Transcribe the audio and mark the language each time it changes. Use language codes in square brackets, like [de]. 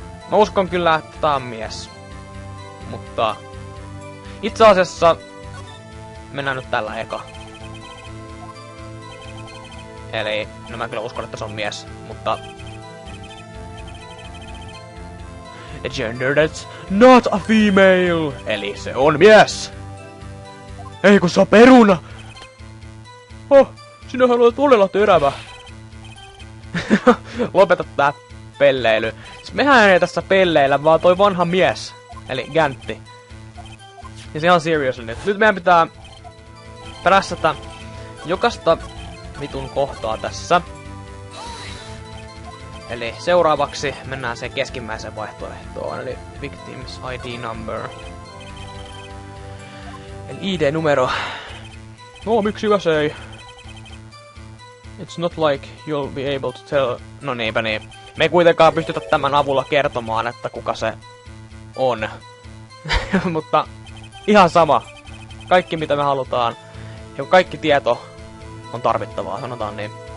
[fi] Mä uskon kyllä, että tää on mies. Mutta... itse asiassa... mennään nyt tällä eka. Eli... no mä kyllä uskon, että se on mies, mutta... [en] the gender that's not a female! [fi] Eli se on mies! Ei kun se on peruna! Oh, sinähän olet todella terävä. Lopeta tää pelleily. Siis mehän ei tässä pelleillä, vaan toi vanha mies. Eli Gantti. Ja se on seriously nyt. Nyt meidän pitää... prässätä... jokasta... vitun kohtaa tässä. Eli seuraavaksi mennään se keskimmäiseen vaihtoehtoon. Eli [en] victim's ID number. [fi] ID-numero. No, miksi hyvä se ei? [en] It's not like you'll be able to tell... [fi] No niinpä niin. Me ei kuitenkaan pystytä tämän avulla kertomaan, että kuka se on. Mutta ihan sama. Kaikki mitä me halutaan. Ja kaikki tieto on tarvittavaa, sanotaan niin.